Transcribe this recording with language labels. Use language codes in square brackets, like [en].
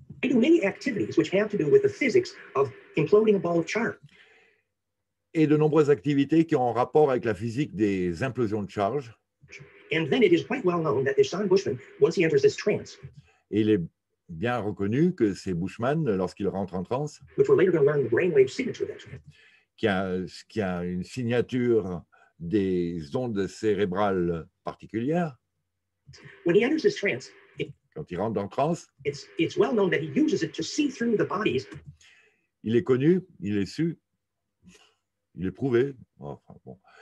[en] They do many activities which have to do with the physics of imploding a ball of char. [fr] Et de nombreuses activités qui ont rapport avec la physique des implosions de charge. [en] And then it is quite well known that Ishan Bushman, once he enters this trance, [fr] et il est bien reconnu que c'est Bushman, lorsqu'il rentre en transe, [en] which we're later going to learn the brainwave signature that's [fr] qui a une signature des ondes cérébrales particulières. [en] When he enters this trance, [fr] quand il rentre en transe, [en] it's well known that he uses it to see through the bodies. [fr] Il est connu, il est su, il est prouvé. Enfin, bon.